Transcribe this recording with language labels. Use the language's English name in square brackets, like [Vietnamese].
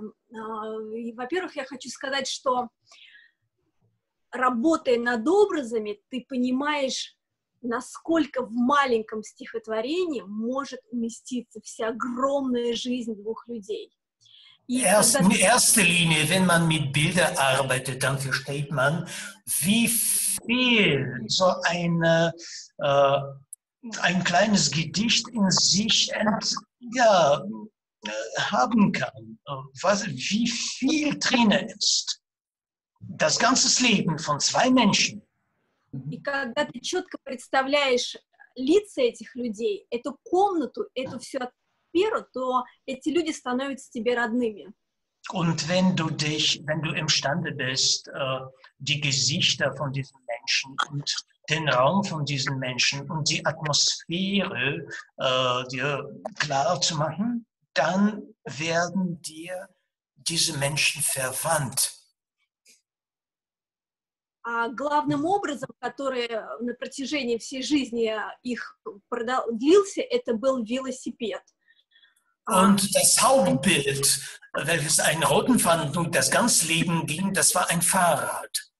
[Russian] Во-первых, я хочу сказать, что работая над образами, ты понимаешь, насколько в маленьком стихотворении может уместиться вся огромная жизнь двух людей. [German] In erster Linie, wenn man mit Bildern arbeitet, dann versteht man, wie viel so ein kleines Gedicht in sich haben kann, wie viel drin ist. Das ganze Leben von zwei Menschen. [Russian] И когда ты четко представляешь лица этих людей, эту комнату, эту всю атмосферу, то эти люди становятся тебе родными. [German] Und wenn du dich, wenn du imstande bist, die Gesichter von diesen Menschen und den Raum von diesen Menschen und die Atmosphäre dir klar zu machen, dann werden dir diese Menschen verwandt. [Russian] А главным образом, который на протяжении всей жизни их длился, это был велосипед. [German] Und das Hauptbild, welches einen roten Faden durch das ganze Leben ging, das war ein Fahrrad.